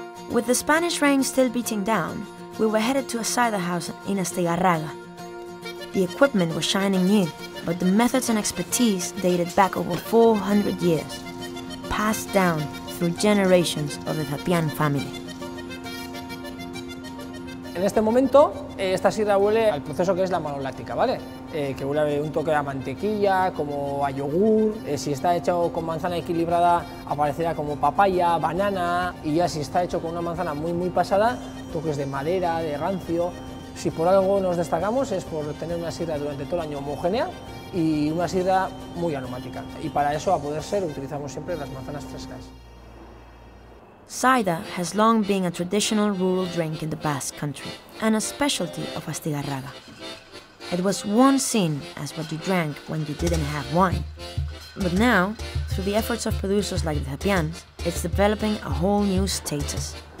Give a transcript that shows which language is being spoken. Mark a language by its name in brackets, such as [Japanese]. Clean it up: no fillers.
[English] With the Spanish rain still beating down, we were headed to a cider house in Astigarraga. The equipment was shining new, but the methods and expertise dated back over 400 years, passed down through generations of the Zapián family. [Spanish] En este momento, esta sidra huele al proceso que es la malolática, ¿vale? Que huele un toque a mantequilla, como a yogur. Si está hecho con manzana equilibrada, aparecerá como papaya, banana. Y ya si está hecho con una manzana muy, muy pasada, toques de madera, de rancio. Si por algo nos destacamos es por tener una sidra durante todo el año homogénea y una sidra muy aromática. Y para eso, a poder ser, utilizamos siempre las manzanas frescas. [English] Cider has long been a traditional rural drink in the Basque Country and a specialty of Astigarraga. It was once seen as what you drank when you didn't have wine. But now, through the efforts of producers like the Tapians, it's developing a whole new status.